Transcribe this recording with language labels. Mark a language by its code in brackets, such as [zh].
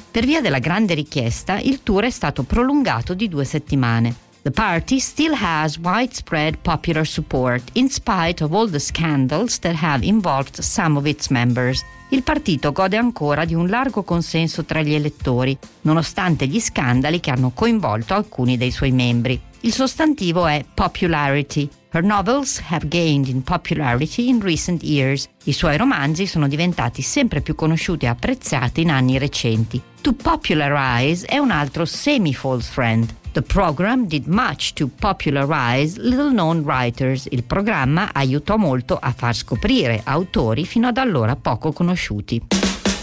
[it] Per via della grande richiesta, il tour è stato prolungato di 2 settimane. [en] The party still has widespread popular support, in spite of all the scandals that have involved some of its members. [it] Il partito gode ancora di un largo consenso tra gli elettori, nonostante gli scandali che hanno coinvolto alcuni dei suoi membri. Il sostantivo è [en] popularity. Her novels have gained in popularity in recent years. [it] I suoi romanzi sono diventati sempre più conosciuti e apprezzati in anni recenti. To popularize è un altro semi-false friend. [en] The program did much to popularize little-known writers. [it] Il programma aiutò molto a far scoprire autori fino ad allora poco conosciuti.